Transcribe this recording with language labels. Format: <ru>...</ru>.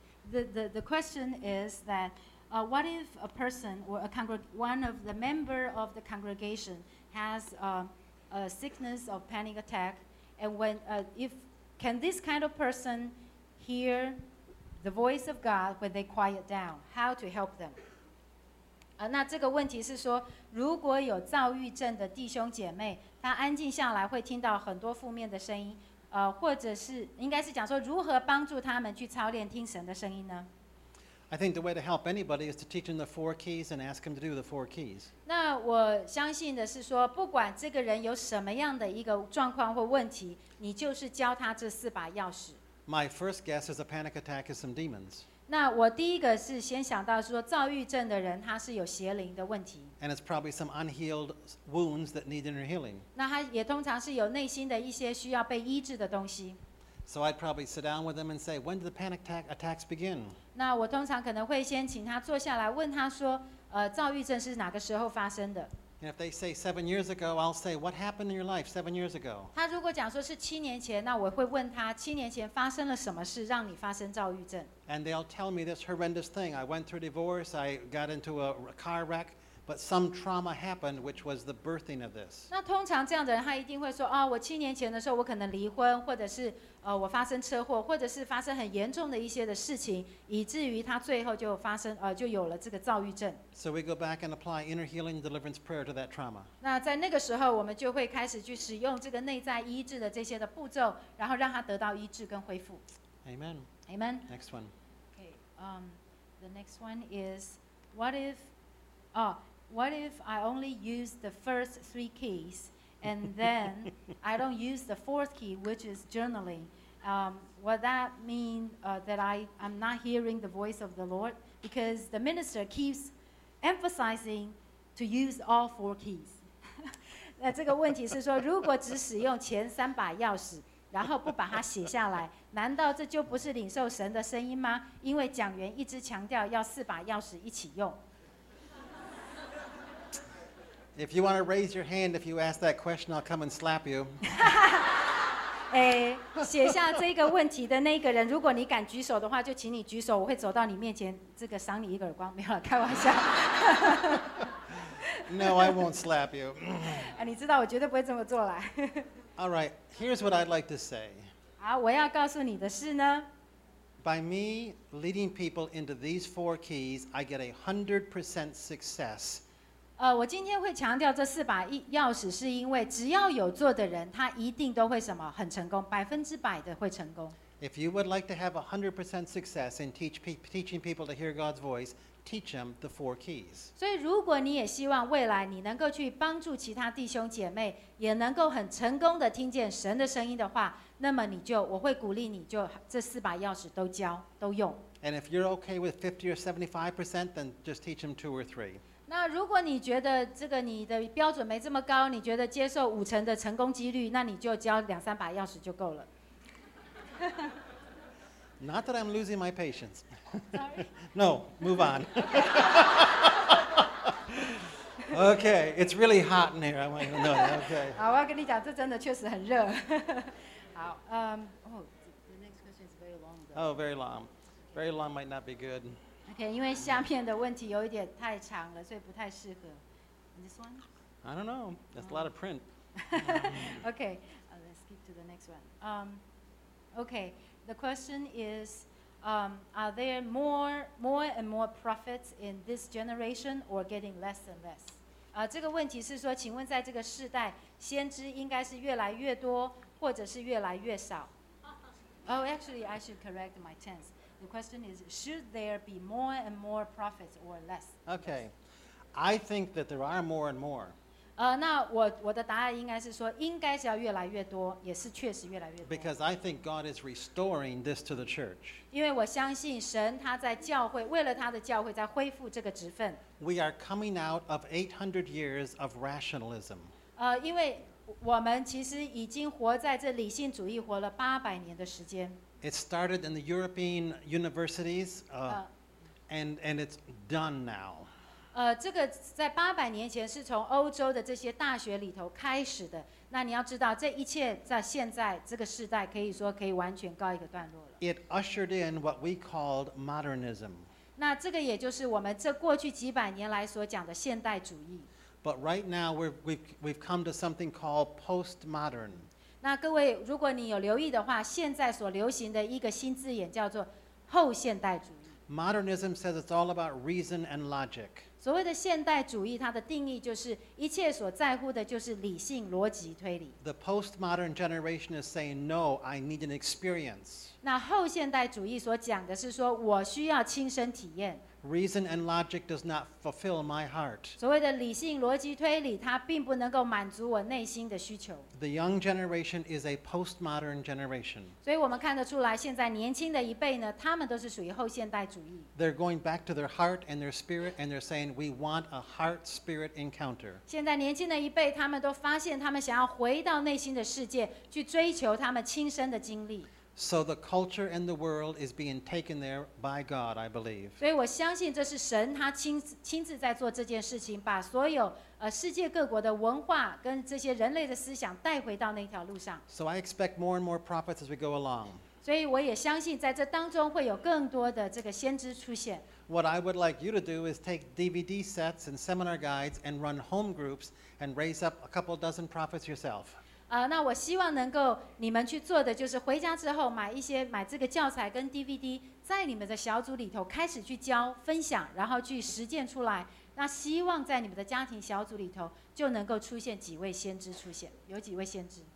<en>The question is that what if a person or one of the member of the congregation has a sickness of panic attack, and can this kind of person hear the voice of God when they quiet down? How to help them?</en> <zh>那这个问题是说，如果有躁郁症的弟兄姐妹，他安静下来会听到很多负面的声音。或者是应该是讲说如何帮助他们去操练听神的声音呢？</zh> <en>I think the way to help anybody is to teach them the four keys and ask them to do the four keys.</en> <zh>那我相信的是说，不管这个人有什么样的一个状况或问题，你就是教他这四把钥匙。</zh> <en>My first guess is a panic attack is some demons.</en> <zh>那我第一个是先想到说，躁郁症的人他是有邪灵的问题。</zh> <en>And it's probably some unhealed wounds that need inner healing.</en> <zh>那他也通常是有内心的一些需要被医治的东西。</zh> <en>So I'd probably sit down with them and say, when do the panic attacks begin?</en> <zh>那我通常可能会先请他坐下来问他说，躁郁症是哪个时候发生的？</zh> <en>And if they say 7 years ago, I'll say, what happened in your life 7 years ago?</en> <zh>他如果讲说是七年前，那我会问他，七年前发生了什么事让你发生躁郁症？</zh> <en>And they'll tell me this horrendous thing. I went through a divorce, I got into a car wreck, but some trauma happened, which was the birthing of this.</en> <zh>那通常这样的人他一定会说，哦，我七年前的时候我可能离婚，或者是我发生车祸，或者是发生很严重的一些的事情，以至于他最后就发生就有了这个躁郁症。</zh> <en>So we go back and apply inner healing deliverance prayer to that trauma.</en> <zh>那在那个时候，我们就会开始去使用这个内在医治的这些的步骤，然后让他得到医治跟恢复。</zh> <en>Amen. Amen. Next one. Okay. The next one is, what if I only use the first three keys? And then I don't use the fourth key, which is journaling. Will that mean that I'm not hearing the voice of the Lord? Because the minister keeps emphasizing to use all four keys.</en> <zh>那这个问题是说，如果只使用前三把钥匙，然后不把它写下来，难道这就不是领受神的声音吗？因为讲员一直强调要四把钥匙一起用。</zh> <en>If you want to raise your hand if you ask that question, I'll come and slap you.</en> <zh>写下这个问题的那个人，如果你敢举手的话，就请你举手，我会走到你面前，这个赏你一个耳光。没有了，开玩笑。</zh> <en>No, I won't slap you.</en> <zh>你知道我绝对不会这么做了。</zh> <en>All right, here's what I'd like to say.</en> <zh>好，我要告诉你的是呢。</zh> <en>By me leading people into these four keys, I get 100% success.</en> <zh>我今天会强调这四把钥匙，是因为只要有做的人，他一定都会什么很成功，百分之百的会成功。</zh> <en>If you would like to have 100% success in teaching people to hear God's voice, teach them the four keys.</en> <zh>所以，如果你也希望未来你能够去帮助其他弟兄姐妹，也能够很成功的听见神的声音的话，那么你就我会鼓励你就这四把钥匙都教都用。</zh> <en>And if you're okay with 50 or 75%, then just teach them 2 or 3.</en> <zh>那如果你觉得这个你的标准没这么高，你觉得接受五成的成功几率，那你就交两三把钥匙就够了。</zh> <en>Not that I'm losing my patience. Sorry. No, move on. Okay, it's really hot in here. I want you to know that. Okay.</en> <zh>好，我要跟你讲，这真的确实很热。好，</zh> <en>The next question is very long, though. Oh, very long. Very long might not be good.</en> <zh>Okay, 因为下面的问题有一点太长了，所以不太适合。</zh> <en>This one? I don't know. That's a lot of print. Okay, let's skip to the next one. Okay, the question is, are there more and more prophets in this generation or getting less and less?</en> <zh>这个问题是说，请问在这个世代，先知应该是越来越多，或者是越来越少？</zh> <en>Oh, actually, I should correct my tense. The question is, should there be more and more prophets or less? Okay. I think that there are more and more.</en> <zh>那我的答案应该是说，应该是要越来越多，也是确实越来越多。</zh> <en>Because I think God is restoring this to the church.</en> <zh>因为我相信神他在教会，为了他的教会在恢复这个职分。</zh> <en>We are coming out of 800 years of rationalism.</en> <zh>因为我们其实已经活在这理性主义活了800年的时间。</zh> <en>It started in the European universities, and it's done now.</en> <zh>这个在八百年前是从欧洲的这些大学里头开始的。那你要知道，这一切在现在这个时代可以说可以完全告一个段落了。</zh> <en>It ushered in what we called modernism.</en> <zh>那这个也就是我们这过去几百年来所讲的现代主义。</zh> <en>But right now we've come to something called postmodern.</en> <zh>那各位，如果你有留意的话，现在所流行的一个新字眼叫做后现代主义。</zh> <en>Modernism says it's all about reason and logic.</en> <zh>所谓的现代主义，它的定义就是一切所在乎的就是理性逻辑推理。</zh> <en>The postmodern generation is saying, "No, I need an experience."</en> <zh>那后现代主义所讲的是说，我需要亲身体验。</zh> <en>Reason and logic does not fulfill my heart.</en> <zh>所谓的理性逻辑推理，它并不能够满足我内心的需求。</zh> <en>The young generation is a postmodern generation.</en> <zh>所以我们看得出来，现在年轻的一辈呢，他们都是属于后现代主义。</zh> <en>They're going back to their heart and their spirit, and they're saying we want a heart-spirit encounter.</en> <zh>现在年轻的一辈，他们都发现他们想要回到内心的世界，去追求他们亲身的经历。</zh> <en>So the culture and the world is being taken there by God, I believe.</en> <zh>所以我相信这是神他亲自在做这件事情，把所有世界各国的文化跟这些人类的思想带回到那条路上。</zh> <en>So I expect more and more prophets as we go along.</en> <zh>所以我也相信在这当中会有更多的这个先知出现。</zh> <en>What I would like you to do is take DVD sets and seminar guides and run home groups and raise up a couple dozen prophets yourself.</en> <zh>那我希望能够你们去做的就是回家之后买这个教材跟 DVD， 在你们的小组里头开始去教分享，然后去实践出来。那希望在你们的家庭小组里头就能够出现几位先知出现，有几位先知。</zh>